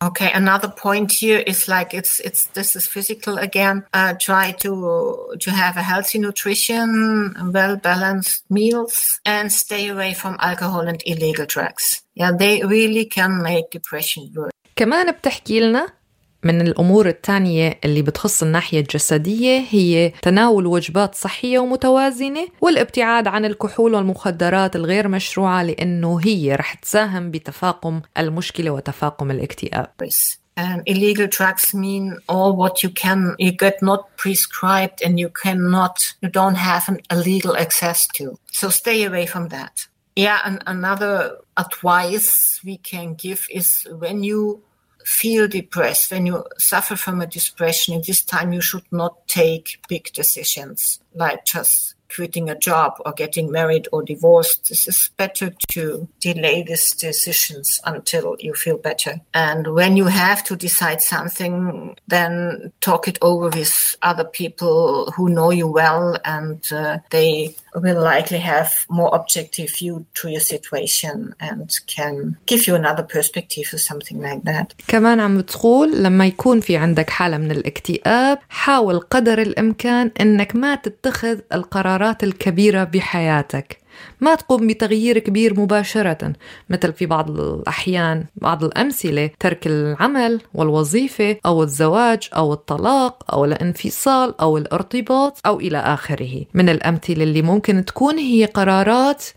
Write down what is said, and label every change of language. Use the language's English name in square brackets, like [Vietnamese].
[English] Okay, another point here is like it's this is physical again. Try to have a healthy nutrition, well balanced meals, and stay away from alcohol and illegal drugs. Yeah, they really can make depression worse. [Arabic] كمان بتحكي لنا من الأمور التانية اللي بتخص الناحية الجسدية هي تناول وجبات صحية ومتوازنة والابتعاد عن الكحول والمخدرات الغير مشروعة لأنه هي رح تساهم بتفاقم المشكلة وتفاقم الاكتئاب. [English] Illegal drugs mean all what you get not prescribed and you don't have an illegal access to. So stay away from that. Yeah, and another advice we can give is when you feel depressed when you suffer from a depression in this time you should not take big decisions like just quitting a job or getting married or divorced this is better to delay these decisions until you feel better and when you have to decide something then talk it over with other people who know you well and they will likely have more objective view to your situation and can give you another perspective or something like that. [Arabic] كمان عم تقول لما يكون في عندك حالة من الاكتئاب حاول قدر الامكان انك ما تتخذ القرارات الكبيرة بحياتك ما تقوم بتغيير كبير مباشرة مثل في بعض الأحيان بعض الأمثلة ترك العمل والوظيفة أو الزواج أو الطلاق أو الانفصال أو الارتباط أو إلى آخره من الأمثلة اللي ممكن تكون هي قرارات